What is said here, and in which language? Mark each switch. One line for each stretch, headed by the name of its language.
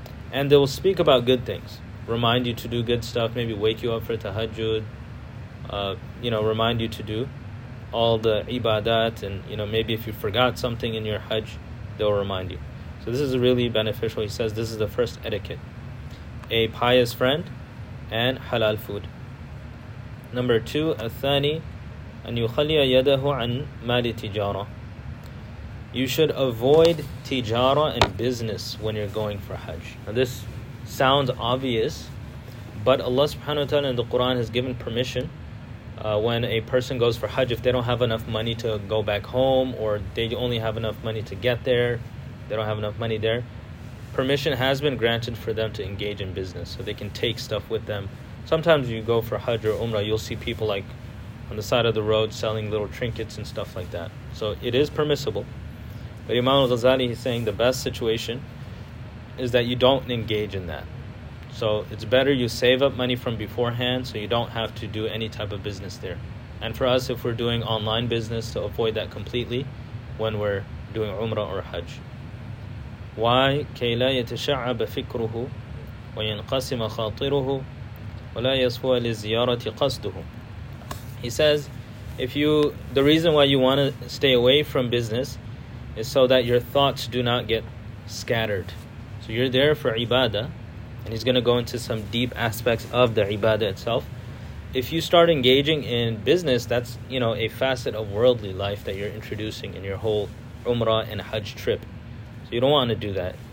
English: And they will speak about good things, remind you to do good stuff, maybe wake you up for tahajjud, you know, remind you to do all the ibadat, and you know, maybe if you forgot something in your Hajj, they'll remind you. So this is really beneficial. He says this is the first etiquette: a pious friend and halal food. Number two,
Arabic: الثاني أن يخلي يده عن مال تجارة.
English: You should avoid tijara and business when you're going for Hajj. Now this sounds obvious, but Allah subhanahu wa ta'ala in the Quran has given permission when a person goes for Hajj, if they don't have enough money to go back home, or they only have enough money to get there, they don't have enough money there, permission has been granted for them to engage in business, so they can take stuff with them. Sometimes you go for Hajj or Umrah, you'll see people like on the side of the road selling little trinkets and stuff like that. So it is permissible. But Imam al-Ghazali is saying the best situation is that you don't engage in that. So it's better you save up money from beforehand so you don't have to do any type of business there. And for us, if we're doing online business, to avoid that completely when we're doing Umrah or Hajj. Why?
Arabic: كي لا يتشعب فكره وينقسم خاطره ولا يسوى لزيارة قصده.
English: He says, the reason why you want to stay away from business is so that your thoughts do not get scattered. So you're there for ibadah, and he's going to go into some deep aspects of the ibadah itself. If you start engaging in business, that's, you know, a facet of worldly life that you're introducing in your whole Umrah and Hajj trip. You don't want to do that.